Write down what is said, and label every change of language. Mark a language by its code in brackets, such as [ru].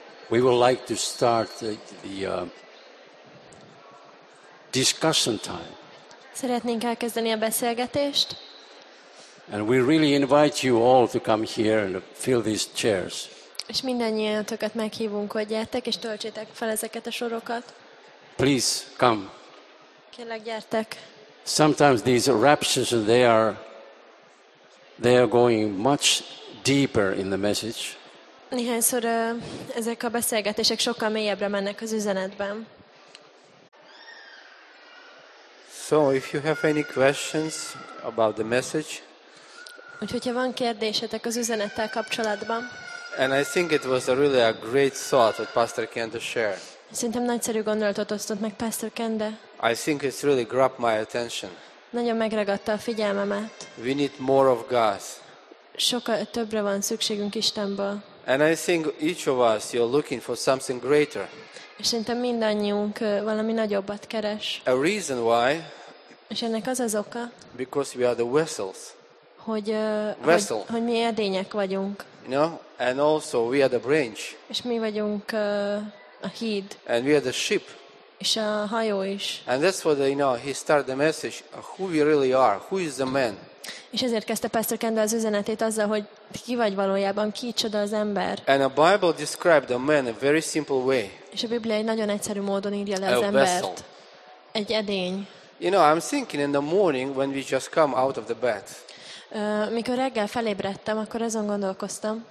[en] We would like to start the discussion time. [hu] Szeretnénk elkezdeni a beszélgetést. [en] And we really invite you all to come here and fill these chairs. [hu] És mindannyiatokat meghívunk, hogy gyertek és töltsétek fel ezeket a sorokat. [en] Please come. [hu] Kérlek, gyertek. [en] Sometimes these raptures, they are going much deeper in the message. [hu] Néhányszor ezek a beszélgetések sokkal mélyebbre mennek az üzenetben. [en] So if you have any questions about the message. [hu] Úgyhogy ha van kérdésetek az üzenettel kapcsolatban. [en] And I think it was really a great thought that Pastor Kenda shared. [hu] Szerintem nagyszerű gondolatot osztott meg Pastor Kenda. [en] I think it's really grabbed my attention. [hu] Nagyon megragadta a figyelmemet. [en] We need more of God. [hu] Sokkal többre van szükségünk Istenből. [en] And I think each of us, you're looking for something greater. [hu] Szerintem mindannyiunk valami nagyobbat keres. [en] A reason why? [hu] És ennek az az oka. [en] Because we are the vessels. [hu] Hogy mi edények vagyunk. [en] You know? And also we are the branch. [hu] És mi vagyunk a híd. [en] And we are the ship. [hu] És a hajó is. [en] And that's what you know, he started the message, who we really are, who is the man. [hu] És ezért kezdte Pastor Kendall az üzenetét azzal, hogy ki vagy valójában, ki csoda az ember. [en] And the Bible described the man a very simple way. [hu] És a Biblia egy nagyon egyszerű módon írja le az embert. Egy edény. [en] You know, I'm thinking in the morning when we just come out of the bed. [hu] Mikor reggel felébredtem, akkor azon gondolkoztam.